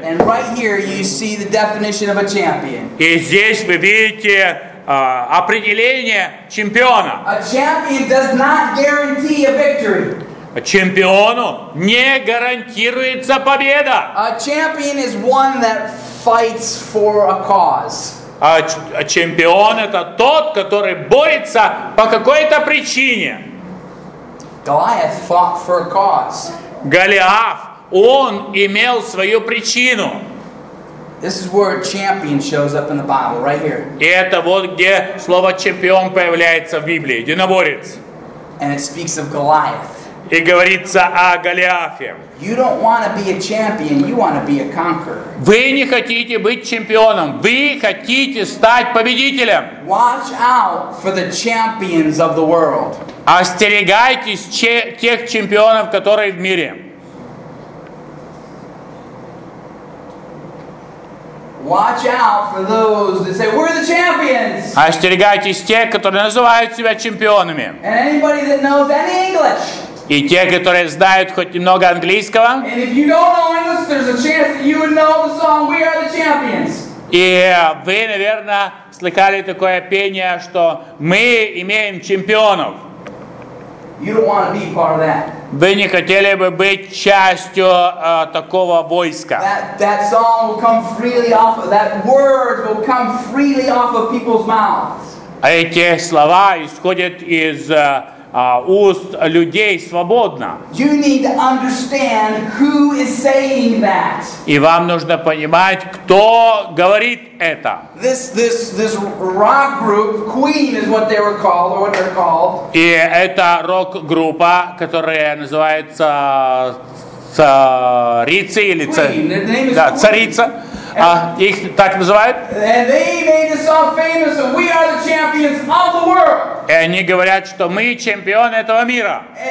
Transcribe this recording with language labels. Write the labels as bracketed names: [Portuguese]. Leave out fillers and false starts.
[English] And right here you see the definition of a champion. [Russian] И здесь вы видите определение чемпиона. [English] A champion does not guarantee a victory. [Russian] Чемпиону не гарантируется победа. [English] A champion is one that fights for a cause. [Russian] А чемпион это тот, который борется по какой-то причине. [English] Goliath fought for a cause. [Russian] Голиаф, он имел свою причину. [English] This is where a champion shows up in the Bible, right here. [Russian] И это вот где слово чемпион появляется в Библии, единоборец. [English] And it speaks of Goliath. [Russian] И говорится о Голиафе. [English] You don't want to be a champion, you want to be a conqueror. [Russian] Вы не хотите быть чемпионом, вы хотите стать победителем. [English] Watch out for the champions of the world. [Russian] Остерегайтесь тех чемпионов, которые в мире. [English] Watch out for those that say we're the champions. [Russian] Остерегайтесь тех, которые называют себя чемпионами. [English] And anybody that knows any English. [Russian] И те, которые знают хоть немного английского. [English] And if you don't know English, there's a chance that you would know the song "We Are the Champions". [Russian] И вы, наверное, слыхали такое пение, что мы имеем чемпионов. [English] You don't want to be part of that. [Russian] Вы не хотели бы быть частью такого войска. [English] That song will come freely off of, that words will come freely off of people's mouths. [Russian] А эти слова исходят из уст людей свободно. [English] You need to understand who is saying that. [Russian] И вам нужно понимать, кто говорит это. [English] This rock group, Queen is what they were called, or what they're called. [Russian] И это рок-группа, которая называется Царицы или Царица. Да, Царица. Их так называют. [English] And they made this song famous, and we are the champions of the world. [Russian] И они говорят, что мы чемпионы этого мира.